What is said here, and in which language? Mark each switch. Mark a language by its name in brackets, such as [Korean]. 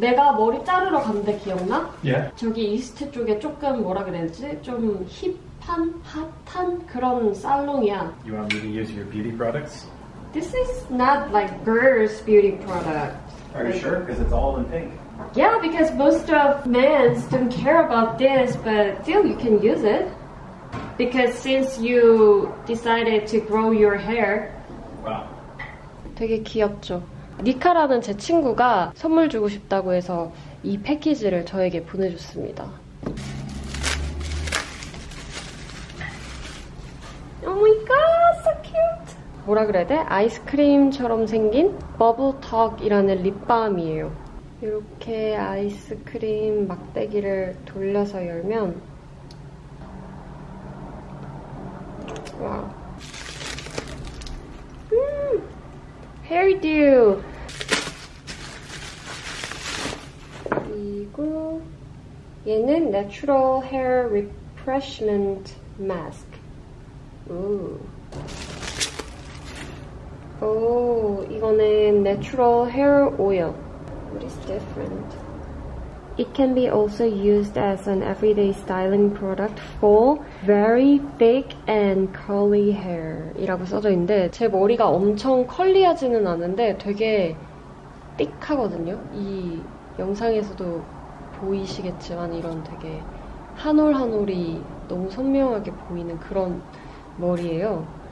[Korean] 내가 머리 자르러 갔는데 기억나? [English] Yeah. [Korean] 저기 이스트 쪽에 조금 뭐라 그랬지? 좀 힙한? 핫한? 그런 살롱이야. [English] You want me to use your beauty products? This is not like girls' beauty product. Are you sure? Because it's all in pink. Yeah, because most of men don't care about this, but still you can use it. Because since you decided to grow your hair. [Korean] 되게 귀엽죠? 니카라는 제 친구가 선물 주고 싶다고 해서 이 패키지를 저에게 보내줬습니다. [English] Oh my god, so cute! [Korean] 뭐라 그래야 돼? 아이스크림처럼 생긴 버블 톡이라는 립밤이에요. 이렇게 아이스크림 막대기를 돌려서 열면, 와. 헤어듀! 그리고, 얘는 Natural Hair Refreshment Mask. 오, 이거는 Natural Hair Oil. [English] What is different? It can be also used as an everyday styling product for very thick and curly hair. [Korean] 이라고 써져 있는데, 제 머리가 엄청 컬리하지는 않은데, 되게 띡하거든요? 이 영상에서도 보이시겠지만, 이런 되게 한올한올이 너무 선명하게 보이는 그런 머리예요.